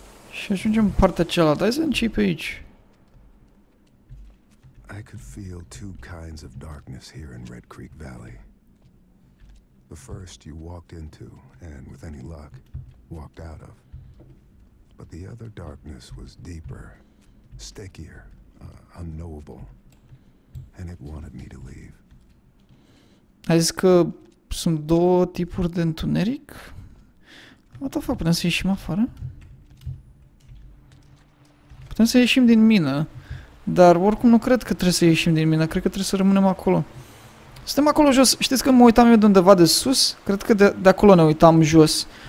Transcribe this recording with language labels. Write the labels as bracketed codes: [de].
[ro] Și ajungem în partea cealaltă. Hai să începem pe aici. [en] I could feel two kinds of darkness here in Red Creek Valley. The first you walked into, and with any luck, walked out of. But the other darkness was deeper, stickier, unknowable. And it wanted me to leave. [ro] Ai zis că sunt două tipuri de întuneric? [en] What the fuck, [ro] putem să ieșim afară? Putem să ieșim din mină. Dar oricum nu cred că trebuie să ieșim din mină, cred că trebuie să rămânem acolo. Suntem acolo jos, știți că mă uitam eu de undeva de sus? Cred că de acolo ne uitam jos.